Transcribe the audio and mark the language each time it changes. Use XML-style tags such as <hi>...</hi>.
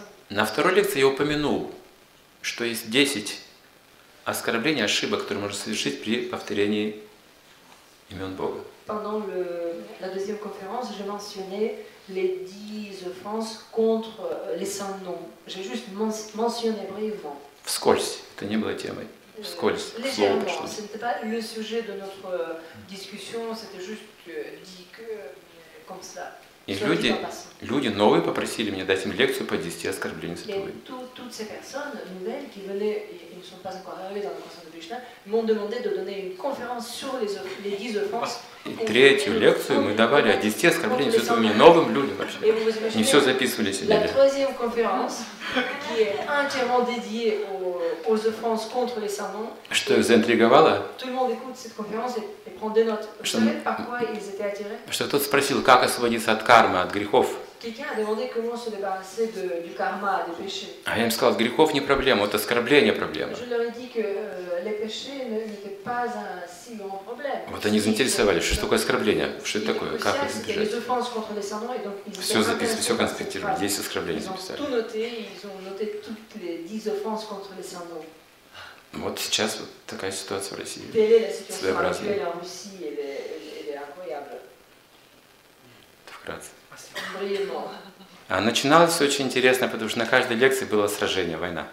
<ru>На второй лекции я упомянул, что есть 10 оскорблений, ошибок, которые можно совершить при повторении имен Бога.</ru> <fr>Pendant la deuxième conférence, j'ai mentionné les 10 offenses contre les saints noms. J'ai juste mentionné brièvement.</fr> <ru>Вскользь, это не было темой. Вскользь.</ru> <fr>Légèrement, ce n'était pas le sujet de notre discussion, c'était juste dit que comme ça.</fr> <ru>И люди новые попросили меня дать им лекцию по 10 оскорблениям святого.</ru> <fr>Toutes ces personnes nouvelles qui venaient, ils ne sont pas encore arrivés dans le conseil de Bishna, m'ont demandé de donner une conférence sur les 10 offenses.</fr> <ru>И третью лекцию мы давали о 10 оскорблениях святого мне новым людям вообще. Не все записывали себе.</ru> <fr>La troisième conférence qui est entièrement dédiée aux offenses contre les saints noms.</fr> <ru>Что их заинтриговало?</ru> <fr>Tout le monde écoute cette conférence. Vous savez par quoi ils étaient attirés?</fr> <ru>Что тот спросил, как освободиться от кармы, от грехов?</ru> <fr>Quelqu'un a demandé comment se débarrasser du karma, des péchés.</fr> <ru>А я им сказал, грехов не проблема, вот оскорбление проблема.</ru> <fr>Je leur ai dit que les péchés n'étaient pas un si grand problème.</fr> <ru>Вот они заинтересовались, что такое оскорбление, что это такое, как это избежать?</ru> <fr>Les offenses contre les saints noms, et donc ils</fr> <ru>все записывали, все конспектировали, 10 оскорблений записали.</ru> <fr>Ils ont tout noté, ils ont noté toutes les 10 offenses contre les saints noms.</fr> <ru>Вот сейчас вот такая ситуация в России. Своеобразная. Это вкратце. Начиналось все очень интересно, потому что на каждой лекции было сражение, война.</ru>